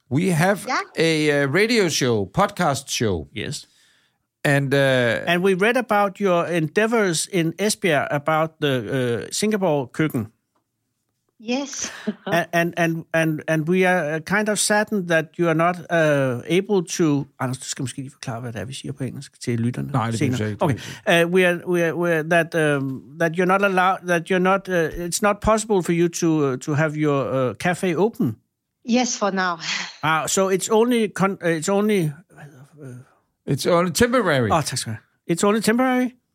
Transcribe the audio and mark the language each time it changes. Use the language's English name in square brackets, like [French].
[English] We have a radio show, podcast show. Yes. And we read about your endeavors in Esbjerg about the Singapore kitchen. Yes. and we are kind of saddened that you are not able to. [Danish] Anders, du skal måske lige forklare, hvad det er, vi siger på engelsk til lytterne. Nej, det er ikke sådan. Okay. [English] We are that you're not allowed. That you're not. It's not possible for you to have your cafe open. Yes, for now. So it's only. It's only temporary. Oh, [Danish] tak skal du have. [English] It's only temporary?